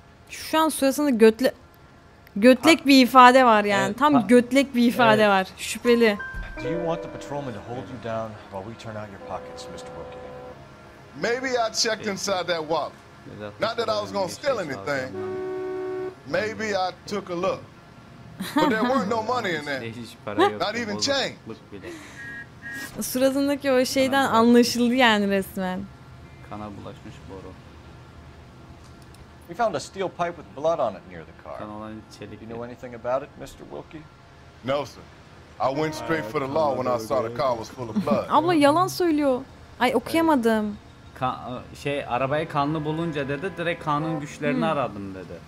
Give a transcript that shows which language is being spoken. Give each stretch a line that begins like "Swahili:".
Turkish: Şu an suratında götlek bir ifade var yani. Tam götlek bir ifade var. Şüpheli.
English: Do you want the patrolman to hold you down while we turn out your pockets, Mr. Wilkie? Maybe I checked inside that wallet. Not that I was gonna steal anything. Maybe I took a look. But there weren't no money in there. Not even change.
Turkish: Suratındaki o şeyden anlaşıldı yani resmen. Kana bulaşmış boru.
English: We found a steel pipe with blood on it near the car.
Turkish: Kan olan çelik.
English: You know anything about it, Mr. Wilkie? No, sir. I went straight for the law when I saw the car was full of blood.
Turkish: Abla yalan söylüyor. Ay okuyamadım. Şey arabayı kanlı bulunca dedi direkt kanın güçlerini aradım dedi.